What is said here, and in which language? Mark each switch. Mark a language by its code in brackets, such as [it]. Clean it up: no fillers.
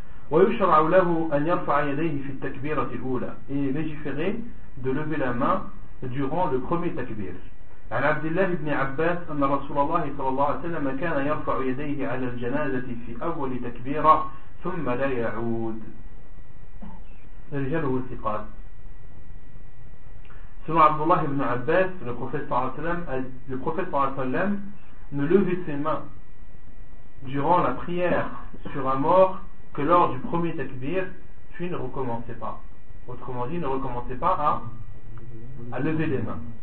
[ar] ويشرع له أن يرفع يديه في التكبيرة الأولى. [fr] Et légiféré de lever la main durant le premier takbir. [ar] عن عبد الله بن عباس أن رسول الله صلى الله عليه وسلم كان يرفع يديه على الجنازة في أول تكبيرة ثم لا يعود. رجاله الثقات. سمع [fr] عبد الله بن عباس le prophète صلى الله عليه وسلم ne levait ses mains durant la prière sur un mort que lors du premier takbir, puis ne recommencez pas. Autrement dit, ne recommencez pas à lever les mains.